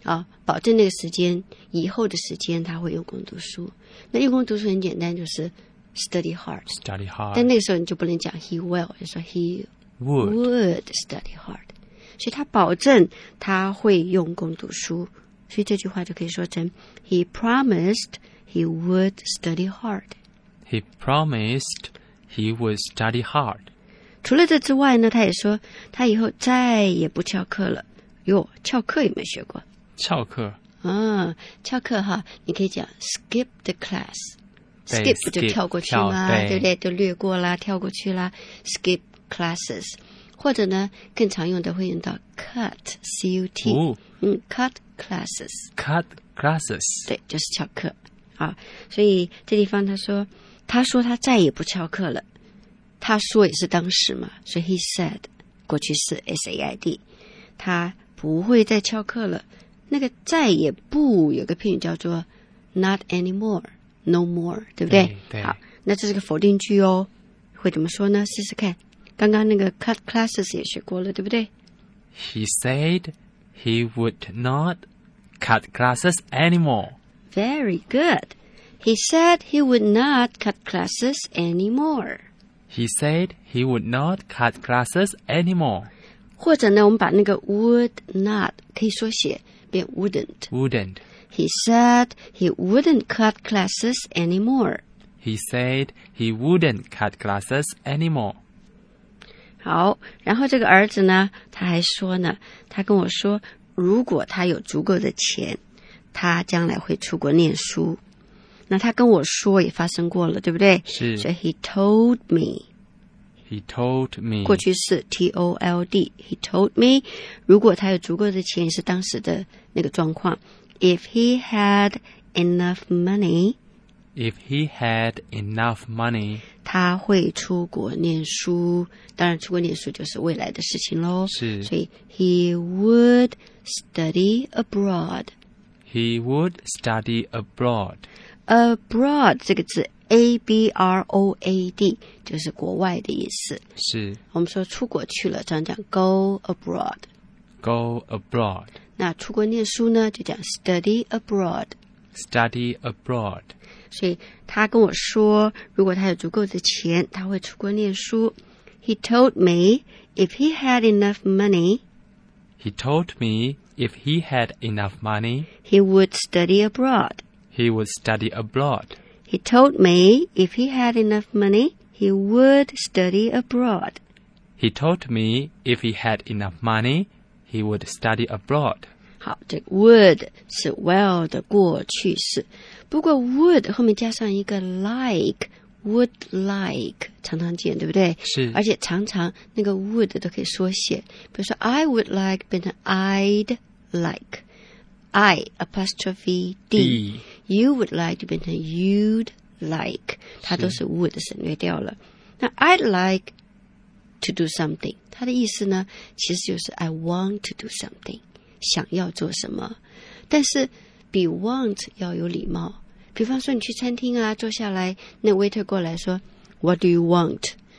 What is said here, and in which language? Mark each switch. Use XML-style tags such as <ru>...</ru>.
<zh>啊、保证那个时间以后的时间他会用功读书，那用功读书很简单，就是</zh> <en>study hard, study hard,</en> <zh>但那个时候你就不能讲</zh> <en>he will,</en> <zh>就说 he</zh> <en>would study hard,</en> <zh>所以他保证他会用功读书，所以这句话就可以说成</zh> <en>he promised he would study hard, he promised he would study hard。</en> <zh>除了这之外呢，他也说他以后再也不翘课了。哟，翘课有没有学过？翘课，嗯，翘课哈，你可以讲</zh> <en>skip the class，skip</en> <zh>就跳过去啦，对不对？就略过啦，跳过去啦 ，</zh> <en>skip classes，</en> <zh>或者呢，更常用的会用到 cut，c-u-t，、哦、</zh> <en>嗯 ，cut classes，cut classes，</en> <zh>对，就是翘课啊。所以这地方他说他再也不翘课了，他说也是当时嘛，所以</zh> <en>he said</en> <zh>过去式 s-a-i-d。他不会再翘课了，那个再也不有个片语叫做</zh> <en>not anymore, no more,</en> <zh>对不对？对, 对。好，那这是个否定句哦，会怎么说呢？试试看，刚刚那个</zh> <en>cut classes</en> <zh>也学过了，对不对？</zh> <en>He said he would not cut classes anymore. Very good. He said he would not cut classes anymore. He said he would not cut classes anymore.</en> <zh>或者呢，我们把那个</zh> <en>would not</en> <zh>可以缩写变 wouldn't.</zh> <en>Wouldn't. He said he wouldn't cut classes anymore. He said he wouldn't cut classes anymore.</en> <zh>好，然后这个儿子呢，他还说呢，他跟我说，如果他有足够的钱，他将来会出国念书。那他跟我说也发生过了，对不对？是。所以</zh> <en>he told me. He told me.</en> <zh>过去式</zh> <en>T-O-L-D. He told me.</en> <zh>如果他有足够的钱，是当时的那个状况。</zh> <en>If he had enough money. If he had enough money.</en> <zh>他会出国念书。当然出国念书就是未来的事情咯。是。所以</zh> <en>he would study abroad. He would study abroad.</en> <zh>Abroad 这个字A-B-R-O-A-D 就是国外的意思，是我们说出国去了，这样讲</zh> <en>go abroad, go abroad,</en> <zh>那出国念书呢就讲</zh> <en>study abroad, study abroad,</en> <zh>所以他跟我说如果他有足够的钱他会出国念书。</zh> <en>He told me if he had enough money, he told me if he had enough money, he would study abroad, he would study abroad. He told me if he had enough money, he would study abroad. He told me if he had enough money, he would study abroad.</en> <zh>好，这个 would 是 well 的过去式。不过 would 后面加上一个 like,</zh> <en>would like,</en> <zh>常常见，对不对？是。而且常常那个 would 都可以缩写。比如说</zh> <en>I would like</en> <zh>变成</zh> <en>I'd like。 I apostrophe D, you would like</en> <zh>就变成</zh> <en>you'd like,</en> <zh>它都是</zh> <en>would 省略掉了。</en> <zh>那</zh> <en>I'd like to do something,</en> <zh>它的意思呢其实就是</zh> <en>I want to do something,</en> <zh>想要做什么。但是</zh> <en>be want</en> <zh>要有礼貌，比方说你去餐厅啊，坐下来，那 waiter 过来说</zh> <en>What do you want?</en>